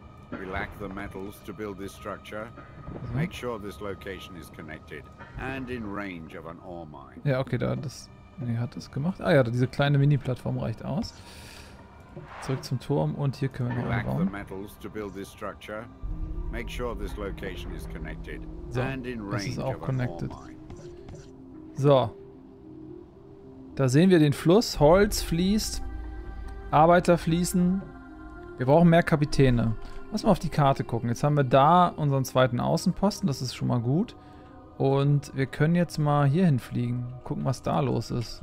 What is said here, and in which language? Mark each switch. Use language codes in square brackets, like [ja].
[en] We lack the metals to build this structure. Make sure this location is connected and in range of an ore mine. [de] Ja, okay, da das, nee, hat das gemacht. Ah ja, diese kleine Mini-Plattform reicht aus. Zurück zum Turm und hier können wir noch bauen. [en] We lack the metals to build this structure. Make sure this location is connected and in range of an ore mine. [de] So. Da sehen wir den Fluss, Holz fließt, Arbeiter fließen. Wir brauchen mehr Kapitäne. Lass mal auf die Karte gucken. Jetzt haben wir da unseren zweiten Außenposten. Das ist schon mal gut. Und wir können jetzt mal hier hinfliegen. Gucken, was da los ist.